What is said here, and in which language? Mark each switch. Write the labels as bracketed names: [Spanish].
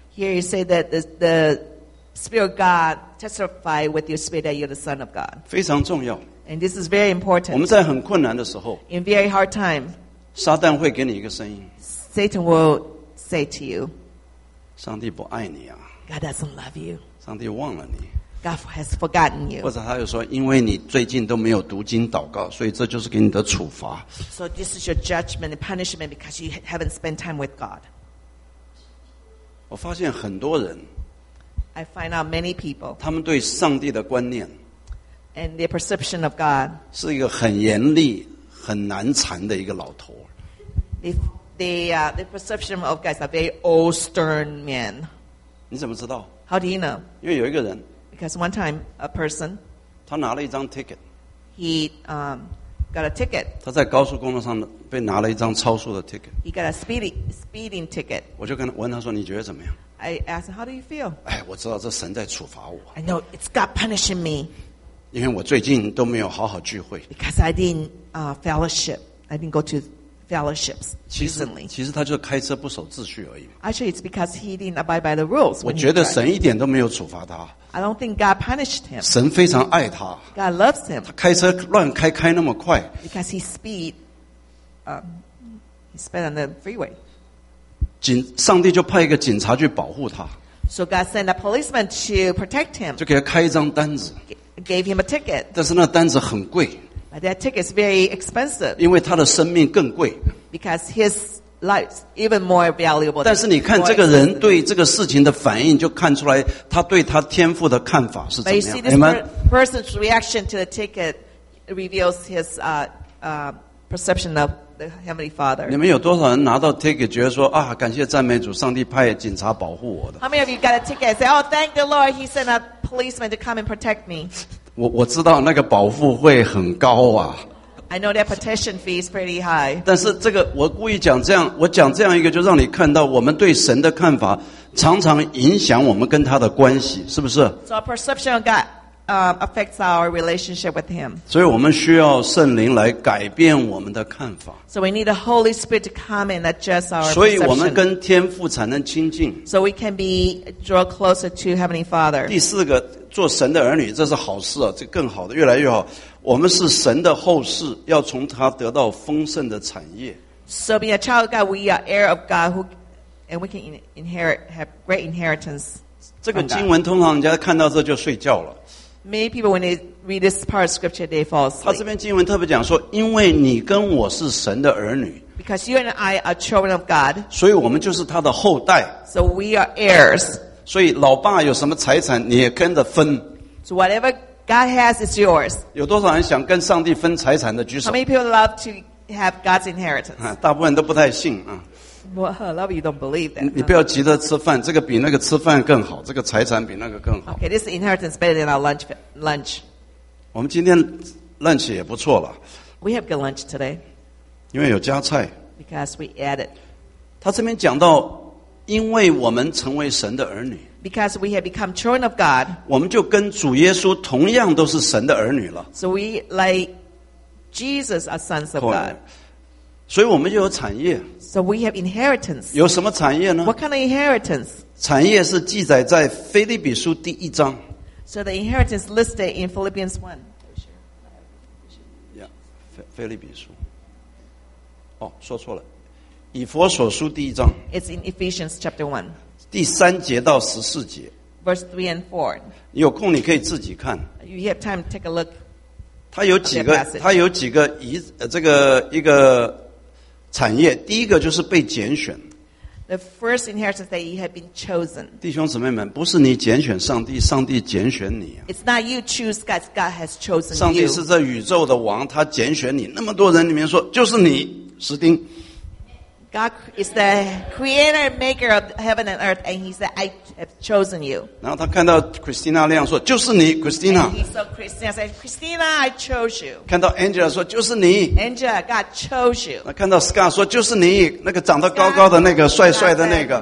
[English] Here you say that the Spirit of GodTestify with your spirit that you're the son of God. [Chinese] 非常重要。 [English] And this is very important. [Chinese] 我们在很困难的时候。 [English] In very hard time. [Chinese] 撒旦会给你一个声音。 [English] Satan will say to you. [Chinese] 上帝不爱你啊。 [English] God doesn't love you. [Chinese] 上帝忘了你。 [English] God has forgotten you. [Chinese] 或者他又说，因为你最近都没有读经祷告，所以这就是给你的处罚。 [English] So this is your judgment and punishment because you haven't spent time with God. [Chinese] 我发现很多人 [English] ，I find out many people， [Chinese] 他们对上帝的观念 [English] ，and their perception of God， [Chinese] 是一个很严厉、很难缠的一个老头。 [English] If they the perception of God is a very old, stern man， [Chinese] 你怎么知道 [English] ？How do you know？ [Chinese] 因为有一个人。 [English] Because one time, a person, [Chinese] 他拿了一张 ticket. [English] He got a ticket. [Chinese] 他在高速公路上被拿了一张超速的 ticket. [English] He got a speeding ticket. [Chinese] 我就跟他问他说：“你觉得怎么样？” [English] I asked him, "How do you feel?" [Chinese] 哎，我知道这神在处罚我。 [English] I know it's God punishing me. [Chinese] 因为我最近都没有好好聚会。 [English] Because I didn't fellowship. I didn't go to fellowships recently. [Chinese] 其实他就开车不守秩序而已。 [English] Actually, it's because he didn't abide by the rules. [Chinese] 我觉得神一点都没有处罚他。 [English] I don't think God punished him. [Chinese] 神非常爱他。 [English] God loves him. [Chinese] 他开车乱开开那么快。 [English] Because he sped on the freeway. [Chinese] 上帝就派一个警察去保护他。 [English] So God sent a policeman to protect him. [Chinese] 就给他开一张单子。 [English] Gave him a ticket. [Chinese] 但是那单子很贵。 [English] But that ticket is very expensive. [Chinese] 因为他的生命更贵。 [English] Because his life's even more valuable. [Chinese] 但是你看这个人对这个事情的反应就看出来他对他天父的看法是怎么样。 [English] But you see, this person's reaction to the ticket reveals his perception of the Heavenly Father. [Chinese] 你们有多少人拿到 ticket 觉得说啊感谢赞美主上帝派警察保护我的。 [English] How many of you got a ticket and say, oh, thank the Lord, he sent a policeman to come and protect me. [Chinese] 我知道那个保护费很高啊。 [English] I know that petition fee is pretty high. [Chinese] 但是这个我故意讲这样，我讲这样一个，就让你看到我们对神的看法常常影响我们跟他的关系，是不是 [English] ？So our perception of God affects our relationship with Him. [Chinese] 所以我们需要圣灵来改变我们的看法。 [English] So we need the Holy Spirit to come and adjust our perception. [Chinese] 所以我们跟天父才能亲近。 [English] So we can be draw closer to Heavenly Father. [Chinese] 第四个，做神的儿女，这是好事啊，这更好的，越来越好。我们是神的后世，要从他得到丰盛的产业。 [English] So being a child of God, we are heir of God, who, and we can inherit, have great inheritance. [Chinese] 这个经文通常人家看到这就睡觉了。 [English] Many people when they read this part of scripture, they fall asleep. [Chinese] 他这边经文特别讲说，因为你跟我是神的儿女。 [English] Because you and I are children of God. [Chinese] 所以我们就是他的后代。 [English] So we are heirs. [Chinese] 所以老爸有什么财产，你也跟着分。 [English] So whatever. God has is yours. [Chinese] 有多少人想跟上帝分财产的举手 [English] ？How many people love to have God's inheritance？ [Chinese] 大部分都不太信啊。 [English] Well, a lot of you don't believe that. [Chinese] 你不要急着吃饭，这个比那个吃饭更好，这个财产比那个更好。 [English] Okay, this inheritance is better than our lunch. Lunch. [Chinese] 我们今天 lunch 也不错了。 [English] We have good lunch today. [Chinese] 因为有加菜。 [English] Because we added. [Chinese] 他这边讲到，因为我们成为神的儿女。 [English] Because we have become children of God, [Chinese] 我们就跟主耶稣同样都是神的儿女了。 [English] So we like Jesus are sons of God. [Chinese] 所以我们就有产业。 [English] So we have inheritance. [Chinese] 有什么产业呢 [English] ？What kind of inheritance? [Chinese] 产业是记载在腓立比书第一章。 [English] So the inheritance listed in Philippians 1. [Chinese] Yeah, 腓立比书。哦，说错了，以弗所书第一章。 [English] It's in Ephesians chapter 1. [Chinese] 第三节到十四节 [English] ，verse three and four。 [Chinese] 你有空你可以自己看。 [English] You have time to take a look. [Chinese] 它有几个，它有几个这个一个产业。第一个就是被拣选。 [English] The first inheritance that you have been chosen. [Chinese] 弟兄姊妹们，不是你拣选上帝，上帝拣选你。 [English] It's not you choose God. God has chosen you. [Chinese] 上帝是这宇宙的王，他拣选你。那么多人里面说，就是你，史丁。 [English] God is the creator and maker of heaven and earth, and he said, I have chosen you. [Chinese] 然后他看到 Christina 亮说，就是你 ,Christina. [English] And he saw Christina said, Christina, I chose you. [Chinese] 看到 Angela 说，就是你。 [English] Angela, God chose you. [Chinese] 看到 Scott 说，就是你，那个长得高高的那个，帅帅的那个。